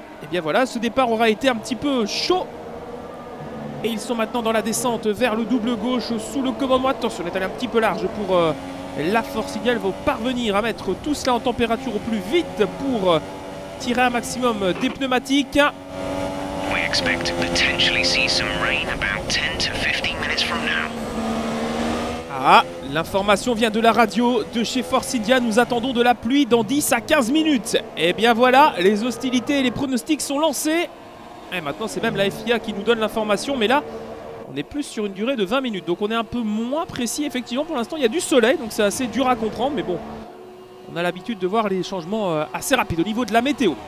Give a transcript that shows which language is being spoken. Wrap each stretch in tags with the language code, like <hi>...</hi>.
<fr>Et bien voilà, ce départ aura été un petit peu chaud. Et ils sont maintenant dans la descente vers le double gauche sous le commandement. Attention, elle est allée un petit peu large pour la Force India. Elle va parvenir à mettre tout cela en température au plus vite pour tirer un maximum des pneumatiques.</fr> <en>We expect to potentially see some rain about 10 to 15 minutes from now.</en> <fr>Ah, l'information vient de la radio de chez Force India. Nous attendons de la pluie dans 10 à 15 minutes. Et bien voilà, les hostilités et les pronostics sont lancés. Et maintenant, c'est même la FIA qui nous donne l'information. Mais là, on est plus sur une durée de 20 minutes. Donc, on est un peu moins précis. Effectivement, pour l'instant, il y a du soleil. Donc, c'est assez dur à comprendre. Mais bon, on a l'habitude de voir les changements assez rapides au niveau de la météo.</fr>